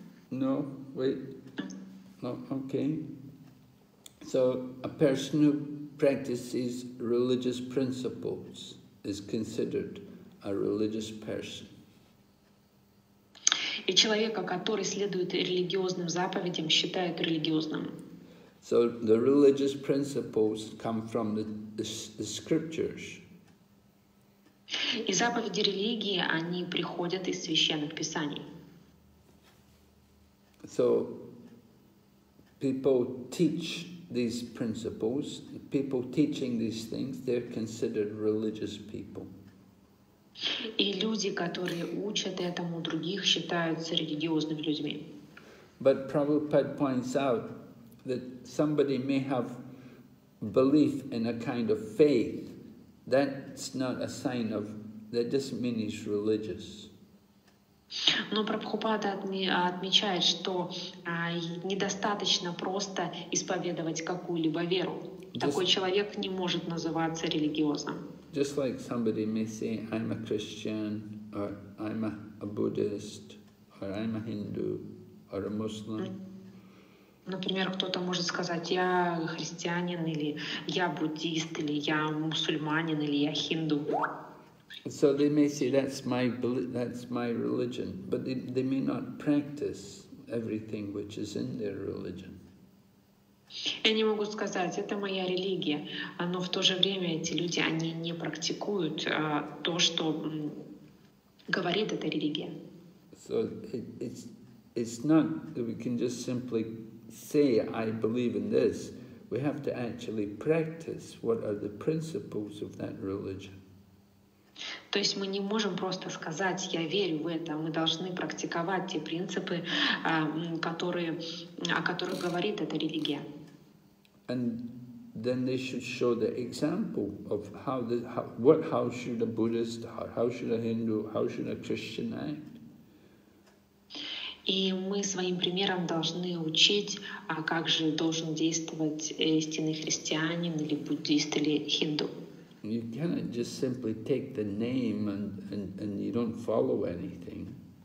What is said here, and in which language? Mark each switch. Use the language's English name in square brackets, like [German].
[English] No, wait. Oh, okay. So a person who practices religious principles is considered a religious person. [Russian] И человека, который следует религиозным заповедям, считают религиозным. [English] So the religious principles come from the scriptures. [Russian] И заповеди религии, они приходят из священных писаний. [English] So people teach these principles. People teaching these things, they're considered religious people. [Russian] И люди, которые учат этому других, считаются религиозными людьми. [English] But Prabhupada points out that somebody may have belief in a kind of faith. That's not a sign of. That doesn't mean he's religious. [Russian] Но Прабхупада отмечает, что недостаточно просто исповедовать какую-либо веру. [English] Just, [Russian] такой человек не может называться религиозным. [English] Just like somebody may say, I'm a Christian, or I'm a Buddhist, or I'm a Hindu, or a Muslim. [Russian] Например, кто-то может сказать, я христианин, или я буддист, или я мусульманин, или я хинду. [English] So they may say that's my religion, but they may not practice everything which is in their religion. [Russian] Они могут сказать, это моя религия, но в то же время эти люди, они не практикуют то, что говорит эта религия. [English] So it's not that we can just simply say I believe in this. We have to actually practice what are the principles of that religion. [Russian] То есть мы не можем просто сказать, я верю в это. Мы должны практиковать те принципы, которые, о которых говорит эта религия. [English] And then they should show the example of how should a Buddhist, how should a Hindu, how should a Christian act. [Russian] И мы своим примером должны учить, а как же должен действовать истинный христианин или буддист или хинду. [English] You cannot just simply take the name and you don't follow anything.